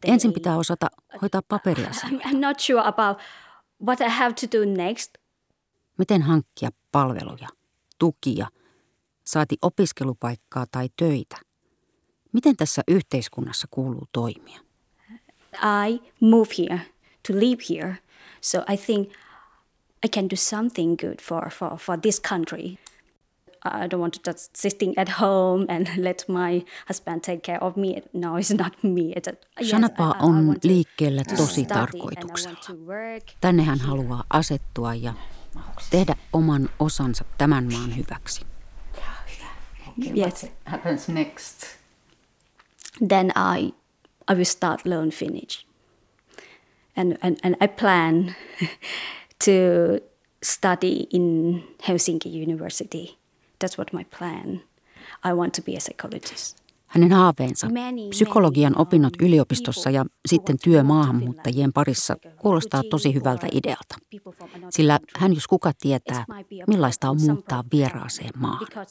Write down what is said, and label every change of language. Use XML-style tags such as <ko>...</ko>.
<fi>Ensin pitää osata hoitaa paperiasioita.</fi> <en>I'm not sure about what I have to do next.</en> <fi>Miten hankkia palveluja, tukia, saati opiskelupaikkaa tai töitä? Miten tässä yhteiskunnassa kuuluu toimia?</fi> <en>I move here. To live here, so I think I can do something good for this country. I don't want to just sitting at home and let my husband take care of me. No, it's not me.</en> <fi>Shanapa yes, on liikkeellä tosi tarkoituksella. Tänne hän haluaa asettua ja tehdä oman osansa tämän maan hyväksi.</fi> <en>Okay, yes. What happens next? Then I will start learn Finnish. And I plan to study in Helsinki University. That's what my plan. I want to be a psychologist.</en> <fi>Hänen haaveensa, psykologian opinnot yliopistossa ja sitten työ maahanmuuttajien parissa, kuulostaa tosi hyvältä idealta. Sillä hän jos kuka tietää, millaista on muuttaa vieraaseen maahan.</fi>